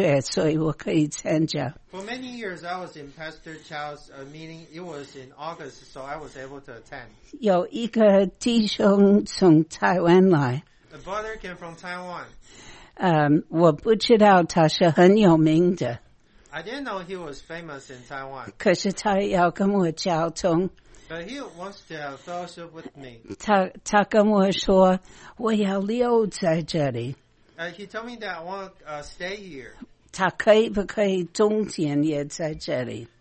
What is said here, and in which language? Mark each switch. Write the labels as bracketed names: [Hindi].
[Chinese] 好几年之前，我也在周金海的聚会，那个时候是八月，所以我可以参加。 [English] For many years, I was in Pastor Chow's meeting. It was in August, so I was able to attend. [Chinese] 有一个弟兄从台湾来。 [English] A brother came from Taiwan. [Chinese] 我不知道他是很有名的。 [English] I didn't know he was famous in Taiwan. [Chinese] 可是他要跟我交通。 [English] But he wants to have fellowship with me. [Chinese] 他跟我说,我要留在这里。 [English] He told me that I want to stay here. [Chinese] 他可以不可以中间也在这里?